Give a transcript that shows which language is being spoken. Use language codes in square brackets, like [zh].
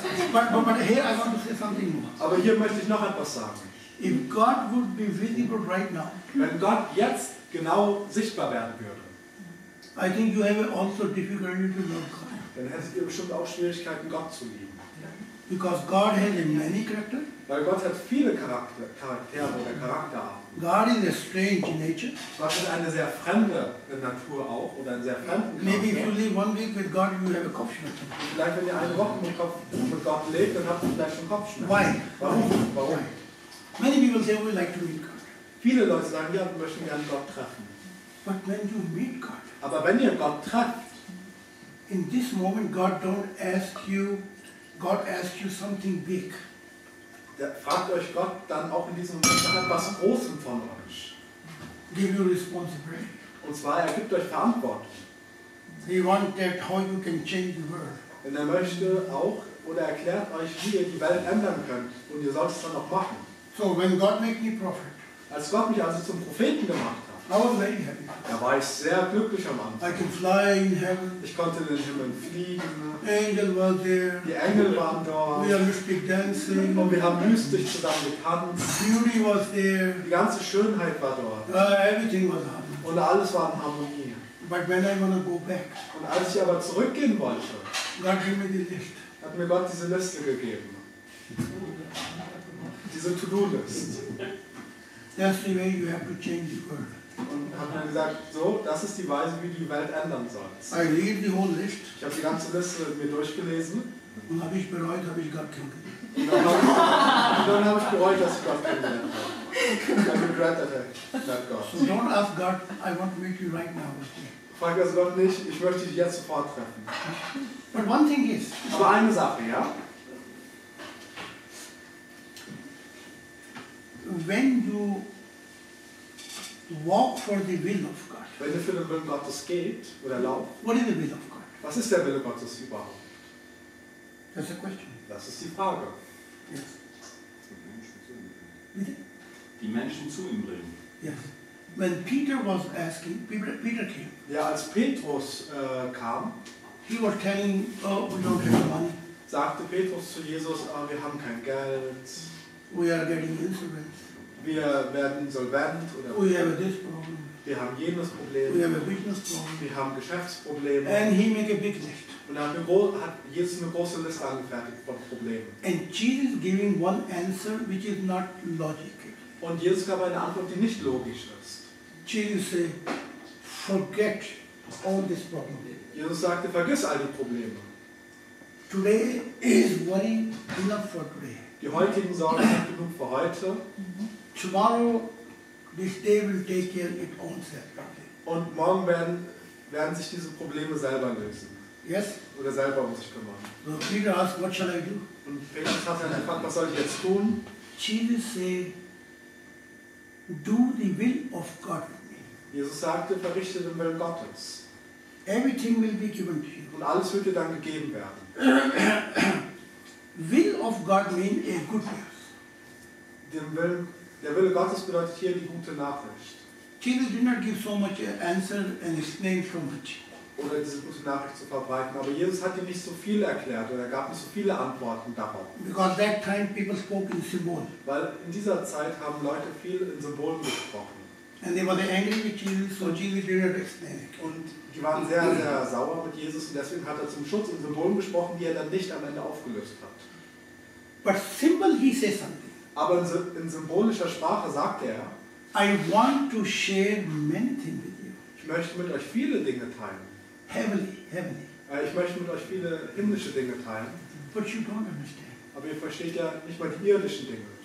[en] But here I want to say something more. [de] Aber hier möchte ich noch etwas sagen. [en] If God would be visible right now, [de] wenn Gott jetzt genau sichtbar werden würde, [en] I think you have also difficulty to love God. [de] Dann hättet ihr bestimmt auch Schwierigkeiten, Gott zu lieben. [en] Because God has many characters. [de] Weil Gott hat viele Charaktere oder Charakterarten. [en] God is a strange nature. [de] Gott ist eine sehr fremde Natur auch oder ein sehr fremden Charakter. [en] Maybe if you live one week with God, you have a Kopfschmerzen. [de] Vielleicht wenn ihr eine Woche mit Gott lebt, dann habt ihr vielleicht schon Kopfschmerzen. [en] Why? [de] Warum? [en] Many people say we like to meet God. [de] Viele Leute sagen, ja, wir möchten gerne Gott treffen. [en] But when you meet God. [de] Aber wenn ihr Gott trefft, [en] in this moment God don't ask you. God asks you something big. [de] Der fragt euch Gott dann auch in diesem Moment etwas Großem von euch. [en] Give you responsibility. [de] Und zwar er gibt euch Verantwortung. [en] He wants that how you can change the world. [de] Und er möchte auch oder erklärt euch, wie ihr die Welt ändern könnt und ihr sollt es dann auch machen. [en] So when God made me prophet. [de] Als Gott mich also zum Propheten gemacht hat. [en] I was very happy. [de] Da war ich sehr glücklich am Anfang. [en] I can fly in heaven. [de] Ich konnte in den Himmel fliegen. [en] Angel was there. [de] Die Engel waren dort. [en] We are mystic dancing. [de] Und wir haben mystisch zusammen getanzt. [en] Beauty was there. [de] Die ganze Schönheit war dort. [en] Everything was happening. [de] Und alles war in Harmonie. [en] But when I wanna go back. [de] Und als ich aber zurückgehen wollte, [en] God gave me the list. [de] Hat mir Gott diese Liste gegeben. Diese To-Do-List. [en] That's the way you have to change the world. [de] Und hat mir gesagt, so, das ist die Weise, wie du die Welt ändern sollst. [en] I read the whole list. [de] Ich habe die ganze Liste mir durchgelesen. Und habe ich bereut, habe ich Gott kennengelernt. Und dann habe ich bereut, dass ich Gott kennengelernt habe. [en] I regret that God. So don't ask God, I want to meet you right now. [de] Frag also Gott nicht, ich möchte dich jetzt sofort treffen. [en] But one thing is, [de] aber eine Sache, ja? Wenn du [en] walk for the will of God. [de] Wenn du für den Willen Gottes geht oder lauft. [en] What is the will of God? [de] Was ist der Wille Gottes überhaupt? [en] That's the question. [de] Das ist die Frage. [en] Yes. [de] Die Menschen zu ihm bringen. [en] Yes. When Peter was asking, Peter came. [de] Ja, als Petrus kam. [en] He was telling, oh, we don't have money. [de] Sagte Petrus zu Jesus, oh, wir haben kein Geld. [en] We are getting insolvent. [de] Wir werden insolvent oder [en] we have this problem. [de] Wir haben jenes Problem. [en] We have a business problem. [de] Wir haben Geschäftsprobleme. [en] And he make a big list. [de] Und dann hat Jesus eine große Liste angefertigt von Problemen. [en] And Jesus giving one answer which is not logical. [de] Und Jesus gab eine Antwort, die nicht logisch ist. [en] Jesus say, forget all this problem. [de] Jesus sagte, vergiss all die Probleme. [en] Today is worry enough for today. [de] Die heutigen Sorgen sind genug für heute. [en] Tomorrow, this day will take care of its own self. [de] Und morgen werden sich diese Probleme selber lösen. [en] Yes. [de] Oder selber um sich kümmern. [en] So Peter asked, what shall I do? [de] Und Petrus hat dann gefragt, was soll ich jetzt tun? [en] Jesus said, do the will of God with me. [de] Jesus sagte, verrichte den Willen Gottes. [en] Everything will be given to you. [de] Und alles wird dir dann gegeben werden. [en] Will of God means a good news. [de] Der Wille Gottes bedeutet hier die gute Nachricht. [en] Jesus did not give so much answer and explain so much. [de] Oder diese gute Nachricht zu verbreiten. Aber Jesus hat ihm nicht so viel erklärt oder er gab nicht so viele Antworten darauf. [en] Because that time people spoke in symbol. [de] Weil in dieser Zeit haben Leute viel in Symbolen gesprochen. [en] And they were angry with Jesus, so Jesus did not explain it. [de] Und die waren sehr, sehr sauer mit Jesus und deswegen hat er zum Schutz in Symbolen gesprochen, die er dann nicht am Ende aufgelöst hat. [en] But symbol he says something. [de] Aber in symbolischer Sprache sagte er, [en] I want to share many things with you. [de] Ich möchte mit euch viele Dinge teilen. [en] Heavenly, heavenly. [de] Ich möchte mit euch viele himmlische Dinge teilen. [en] But you don't understand. [de] Aber ihr versteht ja nicht mal die irdischen Dinge.